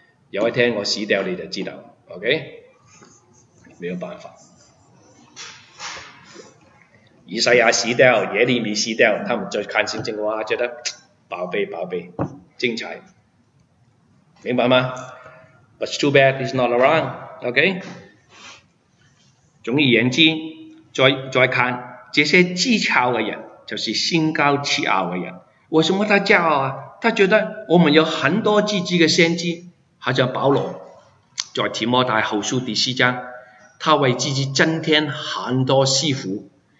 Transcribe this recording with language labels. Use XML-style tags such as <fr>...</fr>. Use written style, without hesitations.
<zh>有一天我死掉，你就知道 ，OK？ 没有办法。以赛亚死掉，耶利米死掉，他们就看圣经，哇，觉得宝贝宝贝，精彩，明白吗？</zh> <en>But it's too bad, it's not around, OK?</en> <zh>总而言之，再看这些自傲的人，就是心高气傲的人。为什么他骄傲啊？他觉得我们有很多自己的先知，好像保罗在提摩太后书第四章，他为自己增添很多师傅。</zh>